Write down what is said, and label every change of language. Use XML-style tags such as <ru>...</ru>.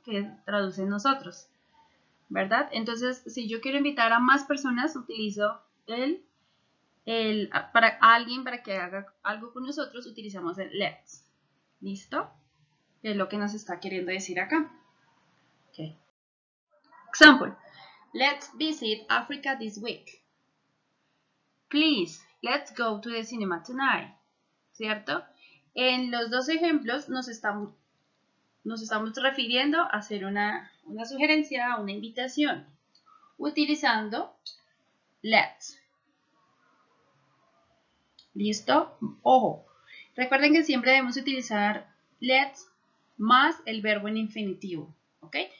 <es>Que traduce nosotros, ¿verdad? Entonces, si yo quiero invitar a más personas, utilizo el para alguien para que haga algo con nosotros, utilizamos el let's. ¿Listo? Que es lo que nos está queriendo decir acá.</es> <en>Okay. Example. Let's visit Africa this week. Please, let's go to the cinema tonight.</en> <es>¿Cierto? En los dos ejemplos nos estamos refiriendo a hacer una sugerencia, una invitación, utilizando let's. ¿Listo? Ojo. Recuerden que siempre debemos utilizar let's más el verbo en infinitivo. ¿Ok?</es>